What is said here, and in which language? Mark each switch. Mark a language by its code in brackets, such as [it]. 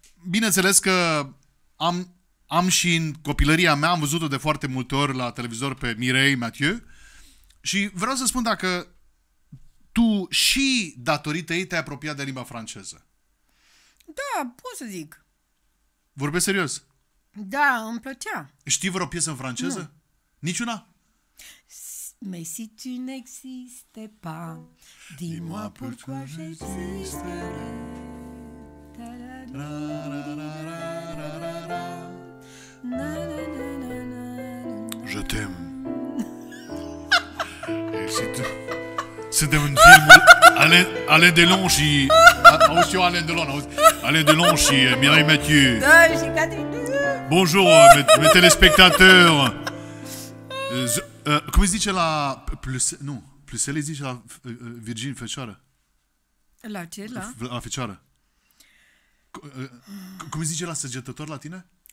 [ro] Bineînțeles că am și în copilăria mea, am văzut-o de foarte multe ori la televizor pe Mireille Mathieu și vreau să spun dacă tu și datorită ei te-ai apropiat de limba franceză. Da, pot să zic. Vorbesc serios? Da, îmi plăcea. Știi vreo piesă în franceză? Nu. Niciuna? [fr] Mais si tu n'existes pas, dis-moi pourquoi j'existerai. Je t'aime. Et si tu... [ro] Suntem în filmul Alain Delon și... Auzi și eu Alain Delon, auzi? Alain Delon și Mireille Mathieu. Da, și Catherine. [fr] Bonjour, mes téléspectateurs. [ro] Cum îți zice la... Nu, Plusel îi zice la Virgin Fecioară. La ce? La Fecioară. Cum îți zice la săgetător la tine?